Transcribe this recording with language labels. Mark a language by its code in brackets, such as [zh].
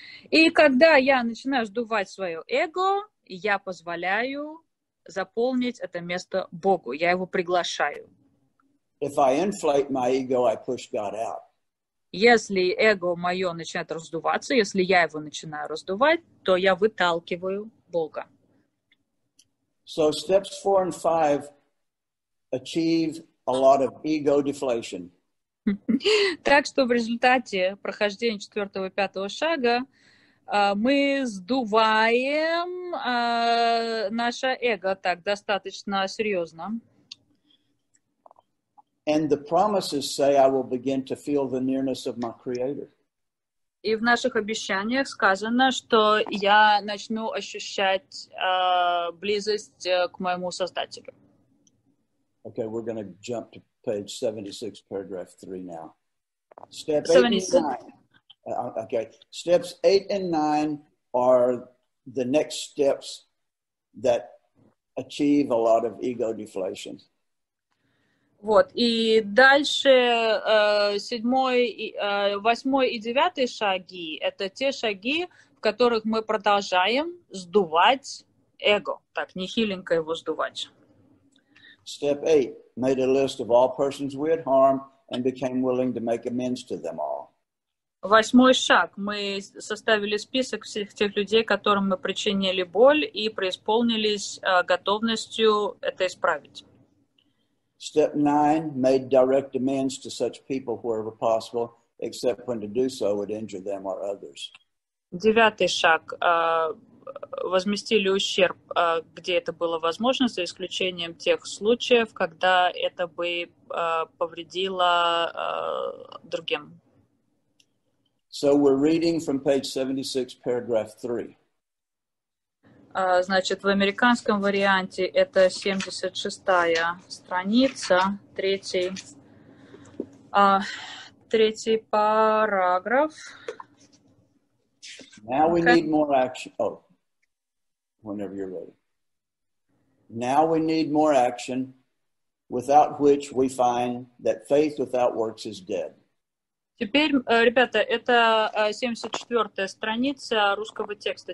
[ru] И когда я начинаю сдувать свое эго, я позволяю заполнить это место Богу. Я его приглашаю. [en] If I inflate my ego, I push God out. [ru] Если эго мое начинает раздуваться, если я его начинаю раздувать, то я выталкиваю Бога. [en] So steps 4 and 5 achieve a lot of ego deflation. [ru] Так что в результате прохождения 4-го и 5-го шага мы сдуваем наше эго так достаточно серьезно. [en] And the promises say I will begin to feel the nearness of my creator. [ru] И в наших обещаниях сказано, что я начну ощущать близость к моему создателю. [en] Okay, we're going to jump to page 76, paragraph 3 now. Step 89. Okay, steps 8 and 9 are the next steps that achieve a lot of ego deflation. [ru] Вот, и дальше 8 и 9 шаги — это те шаги, в которых мы продолжаем сдувать эго, так, не хиленько его сдувать. [en] Step 8 made a list of all persons we had harmed and became willing to make amends to them all. [ru] Восьмой шаг. Мы составили список всех тех людей, которым мы причинили боль и преисполнились готовностью это исправить. [en] Step 9 made direct demands to such people wherever possible, except when to do so would injure them or others. [ru] Девятый шаг. Возместили ущерб, где это было возможно, за исключением тех случаев, когда это бы повредило другим. [en] So we're reading from page 76, paragraph 3. [ru] Значит, в американском варианте это 76-я страница, третий параграф. [en] Now we need more action. Oh, whenever you're ready. Now we need more action, without which we find that faith without works is dead. [ru] Теперь, ребята, это 74-я страница русского текста.